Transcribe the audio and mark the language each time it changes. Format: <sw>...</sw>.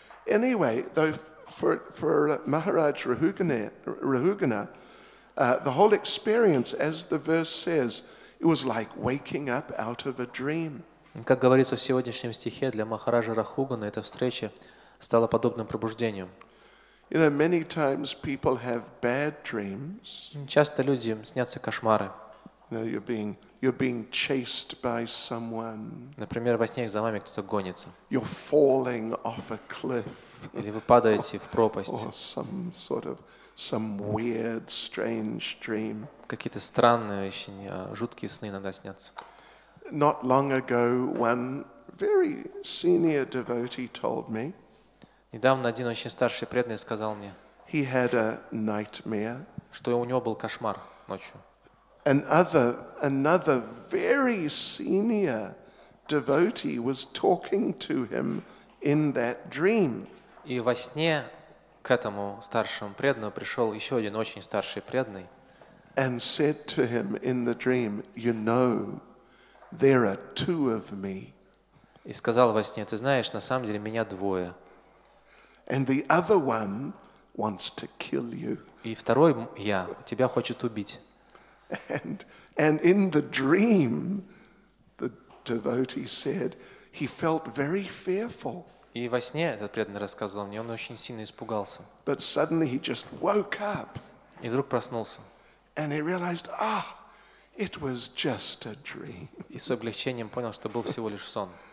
<en>Anyway, though for Maharaj Rahugana, the whole experience, as the verse says, it was like waking up out of a dream.</en> <ru>Как говорится в сегодняшнем стихе, для Махараджа Рахугана эта встреча стала подобным пробуждением.</ru> <en>You know, many times people have bad dreams.</en> <ru>Часто людям снятся кошмары.</ru> <en>You're being chased by someone.</en> <ru>Например, во сне за вами кто-то гонится.</ru> <en>You're falling off a cliff.</en> <ru>Или вы падаете в пропасть.</ru> <en>Or some weird, strange dream.</en> <ru>Какие-то странные, очень жуткие сны иногда снятся.</ru> <en>Not long ago, one very senior devotee told me.</en> <ru>Недавно один очень старший преданный сказал мне.</ru> <en>He had a nightmare.</en> <ru>Что у него был кошмар ночью.</ru> <en>Another very senior devotee was talking to him in that dream.</en> <ru>И во сне к этому старшему преданному пришел еще один очень старший преданный.</ru> <en>And said to him in the dream, you know, there are two of me.</en> <ru>И сказал во сне, ты знаешь, на самом деле меня двое.</ru> <en>And the other one wants to kill you.</en> <ru>И второй я тебя хочет убить.</ru> <en>And in the dream, the devotee said he felt very fearful.</en> <ru>И во сне этот преданный рассказывал мне, он очень сильно испугался.</ru> <en>But suddenly he just woke up.</en> <ru>И вдруг проснулся.</ru> <en>And he realized, ah, it was just a dream.</en> <ru>И с облегчением понял, что был всего лишь сон.</ru>